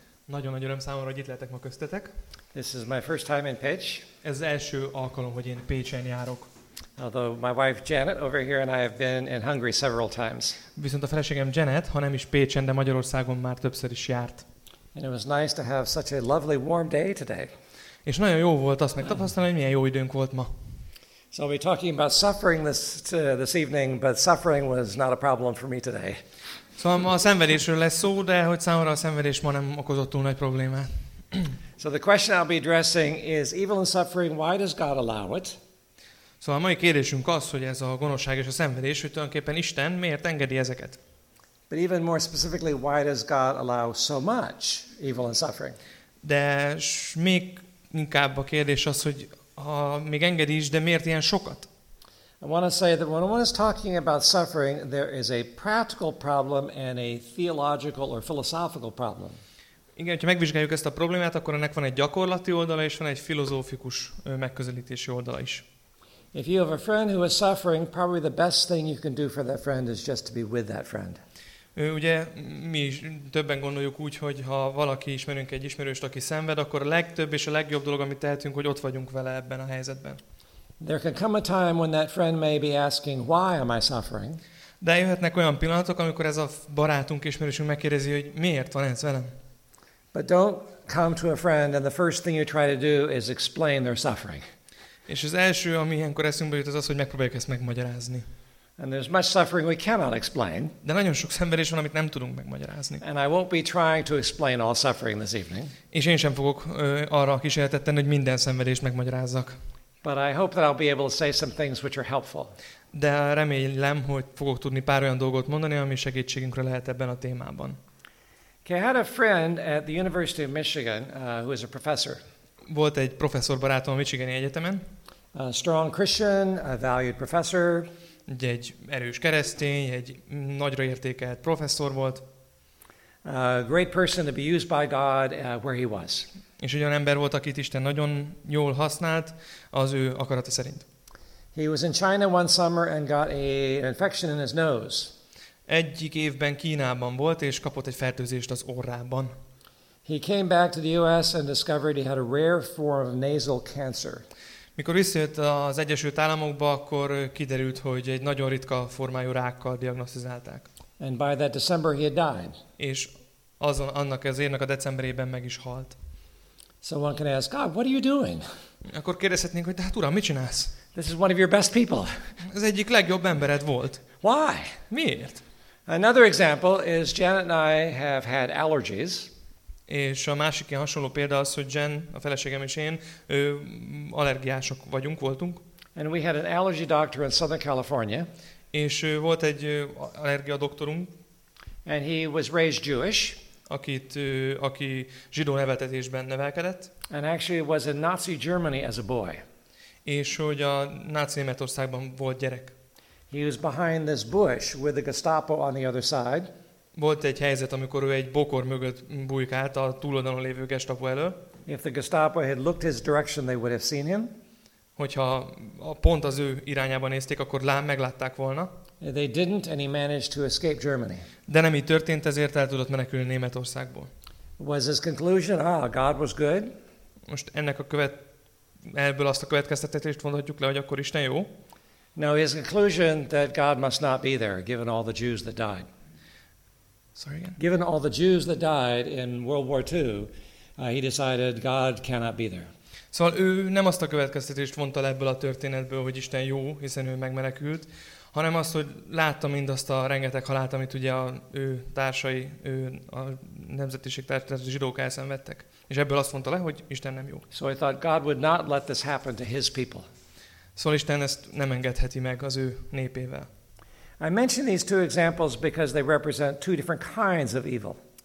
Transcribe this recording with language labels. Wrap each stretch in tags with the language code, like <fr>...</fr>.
<hu>Nagyon-nagyon öröm számomra, hogy itt lehetek ma köztetek.</hu> <en>This is my first time in Pécs.</en> <hu>Ez első alkalom, hogy én Pécsen járok.</hu> <en>Although my wife Janet over here and I have been in Hungary several times.</en> <hu>Viszont a feleségem Janet, ha nem is Pécsen, de Magyarországon már többször is járt.</hu> <en>And it was nice to have such a lovely warm day today.</en> <hu>És nagyon jó volt azt megtapasztalni, hogy milyen jó időnk volt ma.</hu> <en>So we're talking about suffering this evening, but suffering was not a problem for me today.</en> <hu>Szóval a szenvedésről lesz szó, de hogy számomra a szenvedés ma nem okozott túl nagy problémát.</hu> <en>So the question I'll be addressing is evil and suffering, why does God allow it?</en> <hu>Szóval a mai kérdésünk az, hogy ez a gonoszság és a szenvedés, hogy tulajdonképpen Isten miért engedi ezeket?</hu> <en>But even more specifically, why does God allow so much evil and suffering?</en> <hu>De még inkább a kérdés az, hogy ha még engedi is, de miért ilyen sokat?</hu> <en>I want to say that when one is talking about suffering, there is a practical problem and a theological or philosophical problem.</en> <hu>Igen, ha megvizsgáljuk ezt a problémát, akkor ennek van egy gyakorlati oldala és van egy filozófikus megközelítési oldala is.</hu> <en>If you have a friend who is suffering, probably the best thing you can do for that friend is just to be with that friend.</en> <hu>Ugye mi is többen gondoljuk úgy, hogy ha valaki ismerünk egy ismerőst, aki szenved, akkor a legtöbb és a legjobb dolog, amit tehetünk, hogy ott vagyunk vele ebben a helyzetben.</hu> <en>There can come a time when that friend may be asking, why am I suffering?</en> <hu>De jöhetnek olyan pillanatok, amikor ez a barátunk, ismerősünk megkérdezi, hogy miért van ez velem?</hu> <en>But don't come to a friend and the first thing you try to do is explain their suffering.</en> <hu>És az első, ami ilyenkor eszünkbe jut, az, hogy megpróbáljuk ezt megmagyarázni.</hu> <en>And there's much suffering we cannot explain.</en> <hu>De nagyon sok szenvedés van, amit nem tudunk megmagyarázni.</hu> <en>And I won't be trying to explain all suffering this evening.</en> <hu>És én sem fogok arra kísérletet tenni, hogy minden szenvedést megmagyarázzak.</hu> <en>But I hope that I'll be able to say some things which are helpful.</en> <hu>De remélem, hogy fogok tudni pár olyan dolgot mondani, ami segítségünkre lehet ebben a témában.</hu> <en>Okay, I had a friend at the University of Michigan who is a professor.</en> <hu>Volt egy professzor barátom a Michigani Egyetemen.</hu> <en>A strong Christian, a valued professor.</en> <hu>Egy erős keresztény, egy nagyra értékelt professzor volt.</hu> <en>A great person to be used by God where he was.</en> <hu>És egy olyan ember volt, akit Isten nagyon jól használt az ő akarata szerint.</hu> <en>He was in China one summer and got an infection in his nose.</en> <hu>Egyik évben Kínában volt és kapott egy fertőzést az orrában.</hu> <en>He came back to the US and discovered he had a rare form of nasal cancer.</en> <hu>Mikor visszajött az Egyesült Államokba, akkor kiderült, hogy egy nagyon ritka formájú rákkal diagnosztizálták.</hu> <en>And by that December he had died.</en> <hu>És azon annak az évnek a decemberében meg is halt.</hu> <en>So one can ask, God, what are you doing?</en> <hu>Akkor kérdezhetnénk, hogy hát uram, mit csinálsz?</hu> <en>This is one of your best people.</en> <hu>Ez egyik legjobb embered volt.</hu> <en>Why?</en> <hu>Miért?</hu> <en>Another example is Janet and I have had allergies.</en> <hu>És a másik ilyen hasonló példa az, hogy Jen, a feleségem és én, allergiások vagyunk, voltunk.</hu> <en>And we had an allergy doctor in Southern California.</en> <hu>És volt egy allergia doktorunk.</hu> <en>And he was raised Jewish.</en> <hu>Aki zsidó neveltetésben nevelkedett.</hu> <en>And actually was in Nazi Germany as a boy.</en> <hu>És hogy a náci Németországban volt gyerek.</hu> <en>He was behind this bush with the Gestapo on the other side.</en> <hu>Volt egy helyzet, amikor ő egy bokor mögött bujkált a túloldalon lévő Gestapo elől.</hu> <en>If the Gestapo had looked his direction, they would have seen him.</en> <hu>Hogyha pont az ő irányába nézték, akkor meglátták volna.</hu> <en>They didn't, and he managed to escape Germany.</en> <hu>De nem így történt, ezért el tudott menekülni Németországból.</hu> <en>Was his conclusion, God was good?</en> <hu>Most ennek a ebből azt a következtetést mondhatjuk le, hogy akkor Isten jó?</hu> <en>No, his conclusion that God must not be there, given all the Jews that died. Sorry again. Given all the Jews that died in World War II, he decided God cannot be there.</en> <hu>Szóval ő nem azt a következtetést vonta le ebből a történetből, hogy Isten jó, hiszen ő megmenekült, hanem azt, hogy látta mindazt a rengeteg halált, amit ugye a ő társai, ő a nemzetiség társai zsidók elszenvedtek. És ebből azt mondta le, hogy Isten nem jó.</hu> <en>So I thought God would not let this happen to his people.</en> <hu>Szóval Isten ezt nem engedheti meg az ő népével.</hu> <en>I mention these two examples because they represent two different kinds of evil.</en>